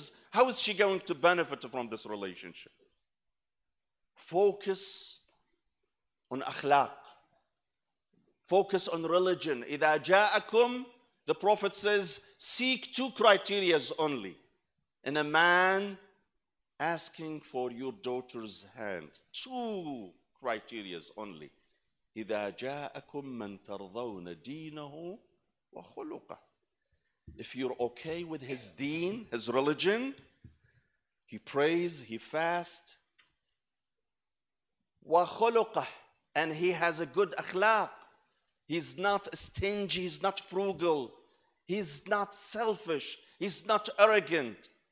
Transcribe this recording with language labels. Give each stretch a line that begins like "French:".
English: How is she going to benefit from this relationship? Focus on akhlaq. Focus on religion.
Arabic: إذا جاءكم,
English: the Prophet says, seek 2 criterias only in a man asking for your daughter's hand. 2 criterias only.
Arabic: إذا جاءكم من ترضون دينه وخلقه.
English: If you're okay with his deen, his religion, he prays, he fasts, وخلقه, and he has a good akhlaq. He's not stingy, he's not frugal, he's not selfish, he's not arrogant.